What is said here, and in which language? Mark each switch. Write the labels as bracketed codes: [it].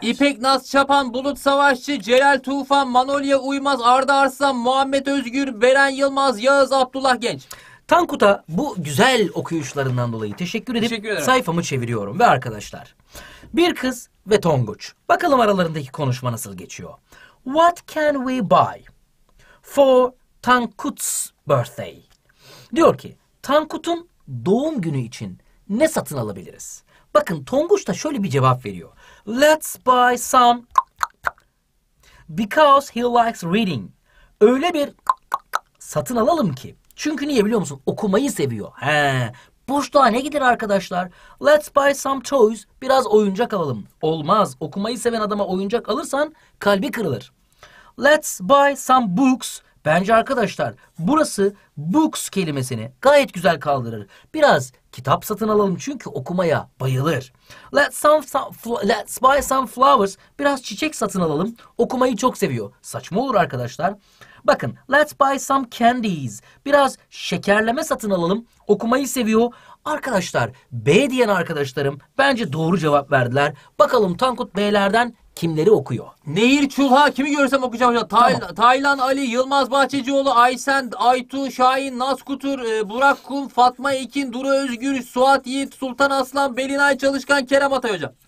[tr] İpek Naz Çapan, Bulut Savaşçı, Celal Tufan, Manolya Uymaz, Arda Arslan, Muhammed Özgür, Beren Yılmaz, Yağız Abdullah Genç. Tankut'a bu güzel okuyuşlarından dolayı teşekkür edip sayfamı çeviriyorum. Ve arkadaşlar, bir kız ve Tonguç. Bakalım aralarındaki konuşma nasıl geçiyor. [en] What can we buy for Tankut's birthday? [tr] Diyor ki, Tankut'un doğum günü için ne satın alabiliriz? Bakın Tonguç da şöyle bir cevap veriyor. [en] Let's buy some because he likes reading. [tr] Öyle bir satın alalım ki. Çünkü niye biliyor musun? Okumayı seviyor. He. Boşluğa ne gider arkadaşlar? [en] Let's buy some toys. [tr] Biraz oyuncak alalım. Olmaz. Okumayı seven adama oyuncak alırsan kalbi kırılır. [en] Let's buy some books. [tr] Bence arkadaşlar burası books kelimesini gayet güzel kaldırır. Biraz kitap satın alalım çünkü okumaya bayılır. [en] Let's buy some flowers. [tr] Biraz çiçek satın alalım. Okumayı çok seviyor. Saçma olur arkadaşlar. Bakın, [en] let's buy some candies. [tr] Biraz şekerleme satın alalım. Okumayı seviyor. Arkadaşlar, B diyen arkadaşlarım bence doğru cevap verdiler. Bakalım Tankut B'lerden kimleri okuyor? Nehir Çulha, kimi görürsem okuyacağım hocam. Taylan Ali, Yılmaz Bahçecioğlu, Aysen, Aytu, Şahin, Naz Kutur, Burak Kum, Fatma Ekin, Duru Özgür, Suat Yiğit, Sultan Aslan, Belinay Çalışkan, Kerem Atay hocam.